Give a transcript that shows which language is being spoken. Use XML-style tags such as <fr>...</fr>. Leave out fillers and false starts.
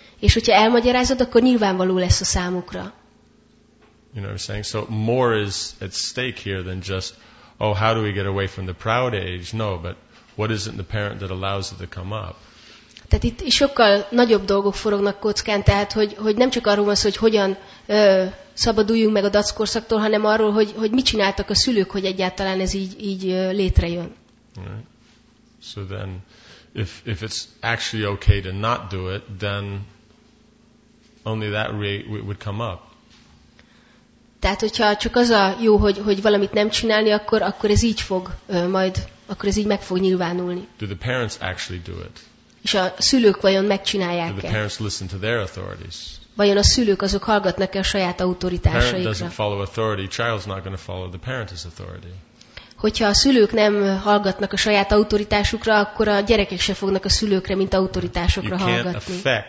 <hu>És hogyha elmagyarázod, akkor nyilvánvaló lesz a számukra.</hu> <en>You know what I'm saying? So more is at stake here than just, oh, how do we get away from the proud age? No, but what isn't the parent that allows it to come up?</en> <hu>Tehát itt sokkal nagyobb dolgok forognak kockán, tehát hogy nem csak arról van szó, hogy hogyan szabaduljunk meg a dackorszaktól, hanem arról, hogy mit csináltak a szülők, hogy egyáltalán ez így létrejön.</hu> <en>Right. So then if it's actually okay to not do it, then only that would come up.</en> <hu>Tehát hogyha csak az a jó, hogy valamit nem csinálni, akkor ez így fog majd, akkor ez így meg fog nyilvánulni.</hu> <en>Do the parents actually do it?</en> <hu>És a szülők vajon megcsinálják-e?</hu> <en>Do the parents listen to their authorities?</en> <hu>Vajon a szülők azok hallgatnak-e a saját autoritásaikra?</hu> <en>Parent doesn't follow authority, child's not going to follow the parent's authority.</en> <hu>Hogyha a szülők nem hallgatnak a saját autoritásukra, akkor a gyerekek se fognak a szülőkre, mint autoritásokra hallgatni.</hu>